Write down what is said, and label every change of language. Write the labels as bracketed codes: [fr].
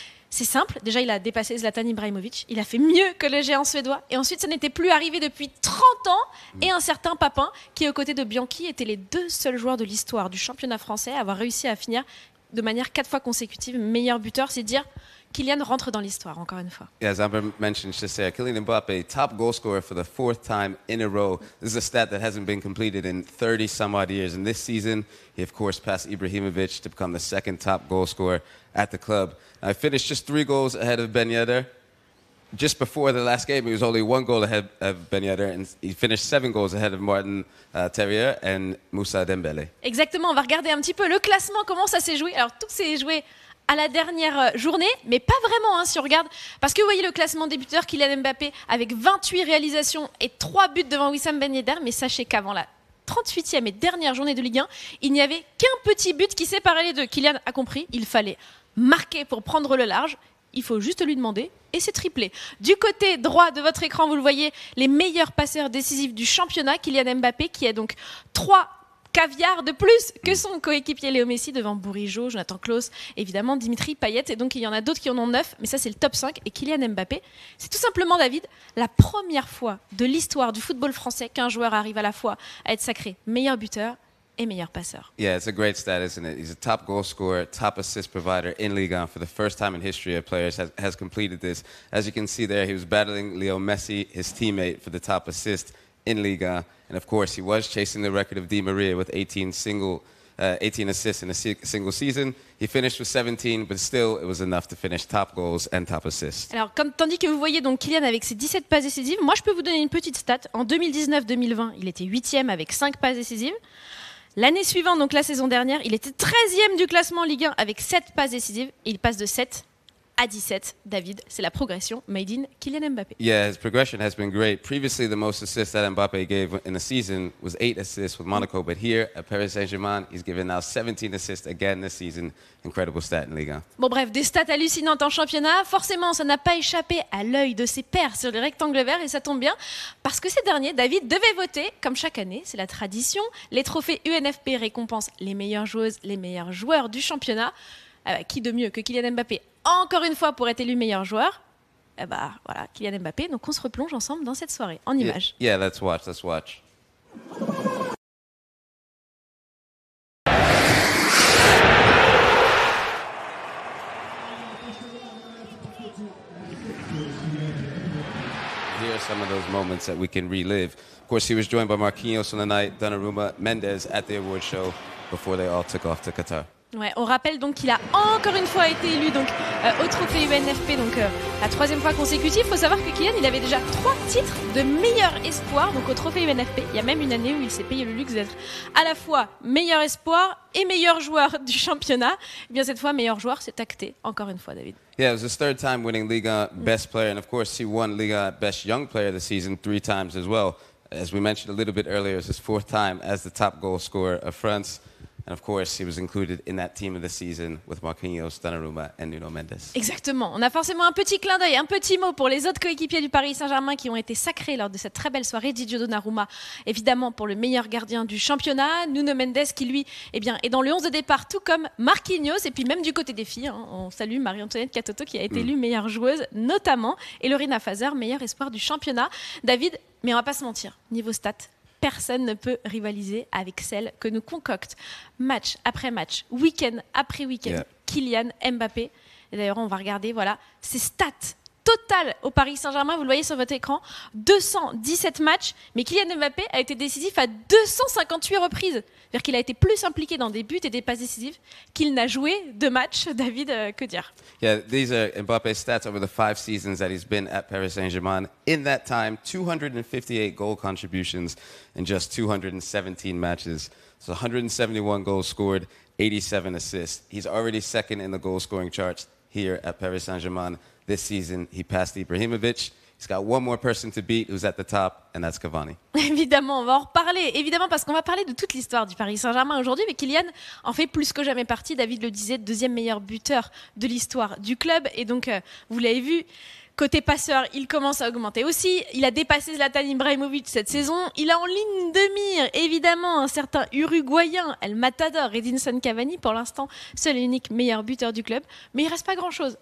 [fr] C'est simple, déjà il a dépassé Zlatan Ibrahimovic, il a fait mieux que le géant suédois, et ensuite ça n'était plus arrivé depuis 30 ans, et un certain Papin, qui aux côtés de Bianchi, étaient les deux seuls joueurs de l'histoire du championnat français à avoir réussi à finir de manière quatre fois consécutive meilleur buteur, c'est dire Kylian rentre dans l'histoire, encore une fois. [en] Yeah, as Amber mentioned just there, Kylian Mbappé, top goal scorer for the fourth time in a row. This is a stat that hasn't been completed in 30 some odd years. And this season, he of course passed Ibrahimovic to become the second top goal scorer at the club. I finished just three goals ahead of Ben Yedder. Just before the last game, he was only one goal ahead of Ben Yedder, and he finished seven goals ahead of Martin Terrier and Moussa Dembélé. [fr] Exactement, on va regarder un petit peu le classement, comment ça s'est joué. Alors tout s'est joué à la dernière journée, mais pas vraiment hein, si on regarde, parce que vous voyez le classement des buteurs, Kylian Mbappé avec 28 réalisations et 3 buts devant Wissam Ben Yedder, mais sachez qu'avant la 38e et dernière journée de Ligue 1, il n'y avait qu'un petit but qui séparait les deux. Kylian a compris, il fallait marquer pour prendre le large, il faut juste lui demander et c'est triplé. Du côté droit de votre écran, vous le voyez, les meilleurs passeurs décisifs du championnat, Kylian Mbappé qui a donc 3 caviar de plus que son coéquipier Léo Messi devant Bourigeaud, Jonathan Clauss, évidemment Dimitri Payet, et donc il y en a d'autres qui en ont 9, mais ça c'est le top 5. Et Kylian Mbappé, c'est tout simplement, David, la première fois de l'histoire du football français qu'un joueur arrive à la fois à être sacré meilleur buteur et meilleur passeur. [en] Yeah, it's a great stat, isn't it? He's a top goal scorer, top assist provider in Ligue 1 for the first time in history a player has completed this. As you can see there, he was battling Léo Messi, his teammate, for the top assist in Ligue 1. And of course, he was chasing the record of Di Maria with 18 assists in a single season. He finished with 17, but still, it was enough to finish top goals and top assists. [fr] Alors, tandis que vous voyez donc Kylian avec ses 17 passes décisives, moi, je peux vous donner une petite stat. En 2019-2020, il était 8e avec 5 passes décisives. L'année suivante, donc la saison dernière, il était 13e du classement Ligue 1 avec 7 passes décisives. Et il passe de 7 à 17, David, c'est la progression made in Kylian Mbappé. [en] Yeah, his progression has been great. Previously, the most assists that Mbappé gave in a season was 8 assists with Monaco, but here at Paris Saint-Germain, he's given now 17 assists again this season. Incredible stat in Ligue 1. [fr] Bon, bref, des stats hallucinantes en championnat. Forcément, ça n'a pas échappé à l'œil de ses pairs sur le rectangle vert, et ça tombe bien parce que ces derniers, David, devaient voter, comme chaque année, c'est la tradition. Les trophées UNFP récompensent les meilleures joueuses, les meilleurs joueurs du championnat. Qui de mieux que Kylian Mbappé, encore une fois, pour être élu meilleur joueur? Eh bah voilà, Kylian Mbappé. Donc on se replonge ensemble dans cette soirée, en images. [en] Yeah, let's watch. Here are some of those moments that we can relive. Of course, he was joined by Marquinhos on the night, Donnarumma, Mendes at the award show before they all took off to Qatar. [fr] Ouais, on rappelle donc qu'il a encore une fois été élu donc, au trophée UNFP, donc la troisième fois consécutive. Il faut savoir que Kylian, il avait déjà 3 titres de meilleur espoir donc au trophée UNFP. Il y a même une année où il s'est payé le luxe d'être à la fois meilleur espoir et meilleur joueur du championnat. Et bien cette fois, meilleur joueur s'est acté encore une fois, David. [en] Yeah, it was his third time winning Ligue 1 best player. And of course, he won Ligue 1 best young player of the season 3 times as well. As we mentioned a little bit earlier, it's his fourth time as the top goal scorer of France. And of course, he was included in that team of the season with Marquinhos, Donnarumma and Nuno Mendes. [fr] Exactement. On a forcément un petit clin d'œil, un petit mot pour les autres coéquipiers du Paris Saint-Germain qui ont été sacrés lors de cette très belle soirée. Didier Donnarumma, évidemment, pour le meilleur gardien du championnat. Nuno Mendes qui, lui, eh bien, est dans le 11 de départ, tout comme Marquinhos. Et puis même du côté des filles, hein, on salue Marie-Antoinette Katoto qui a été élue meilleure joueuse, notamment. Et Lorena Fazer, meilleur espoir du championnat. David, mais on ne va pas se mentir, niveau stats, personne ne peut rivaliser avec celle que nous concocte match après match, week-end après week-end, Kylian Mbappé. Et d'ailleurs, on va regarder, voilà, ses stats totales au Paris Saint-Germain. Vous le voyez sur votre écran, 217 matchs. Mais Kylian Mbappé a été décisif à 258 reprises. C'est-à-dire qu'il a été plus impliqué dans des buts et des passes décisives qu'il n'a joué de match. David, que dire? [en] Yeah, these are Mbappé's stats over the 5 seasons that he's been at Paris Saint-Germain. In that time, 258 goal contributions in just 217 matches. So 171 goals scored, 87 assists. He's already second in the goal scoring charts here at Paris Saint-Germain. This season, he passed Ibrahimovic. He's got one more person to beat who's at the top, and that's Cavani. [fr] Évidemment, on va en reparler. Évidemment, parce qu'on va parler de toute l'histoire du Paris Saint-Germain aujourd'hui. Mais Kylian en fait plus que jamais partie. David le disait, deuxième meilleur buteur de l'histoire du club. Et donc, vous l'avez vu, Côté passeur, il commence à augmenter aussi. Il a dépassé Zlatan Ibrahimovic cette saison. Il a en ligne de mire, évidemment, un certain Uruguayen, El Matador, Edinson Cavani, pour l'instant, seul et unique meilleur buteur du club. Mais il ne reste pas grand-chose.